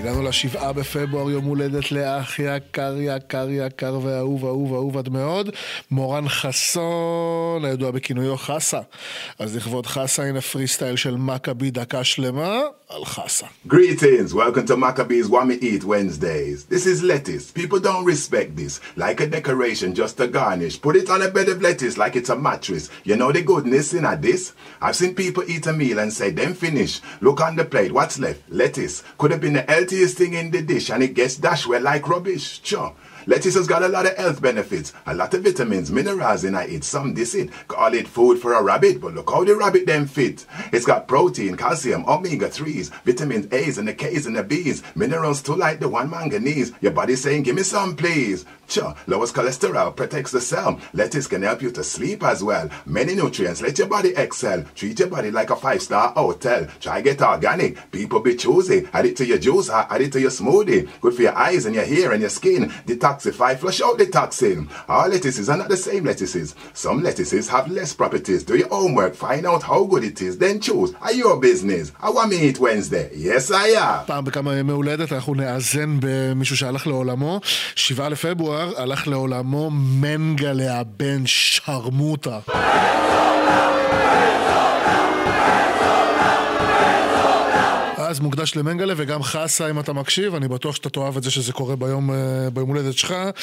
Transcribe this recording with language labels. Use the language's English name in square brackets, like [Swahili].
[Hebrew] שבעה בפברואר יום הולדת לאח יקר יקר יקר ואהוב אהוב אהוב עד מאוד מורן חסון הידוע בכינויו חסה אז לכבוד חסה הנה פרי סטייל של מקבי דקה שלמה על חסה [English] Greetings, welcome to Maccabee's What Me Eat Wednesdays. This is lettuce. People don't respect this. Like a decoration, just a garnish. Put it on a bed of lettuce like it's a mattress. You know the goodness in at this? I've seen people eat a meal and say, them finish. Look on the plate, what's left? Lettuce. Could have been the healthiest thing in the dish and it gets dashed well like rubbish. Chuh. Lettuce has got a lot of health benefits. A lot of vitamins, minerals in it. Some this it. Call it food for a rabbit. But look how the rabbit them fit. It's got protein, calcium, omega-3s, vitamins A's and the K's and the B's. Minerals too like the one manganese. Your body's saying, give me some, please. Chuh, lowers cholesterol, protects the cell. Lettuce can help you to sleep as well. Many nutrients, let your body excel. Treat your body like a five-star hotel. Try get organic, people be choosy. Add it to your juice, add it to your smoothie. Good for your eyes and your hair and your skin. Detoxify, flush out the toxin. All lettuces are not the same lettuces. Some lettuces have less properties. Do your homework, find out how good it is. Then choose, are your business? I want me eat Wednesday. Yes, I am. [Hebrew] פעם בכמה ימי הולדת אנחנו נאזן במישהו שהלך לעולמו. 7 לפברואר. הלך לעולמו מנגלה הבן שרמוטה אז מוקדש למנגלה וגם חסה אם אתה מקשיב אני בטוח שאתה תאהב את זה שזה קורה ביום הולדת שלך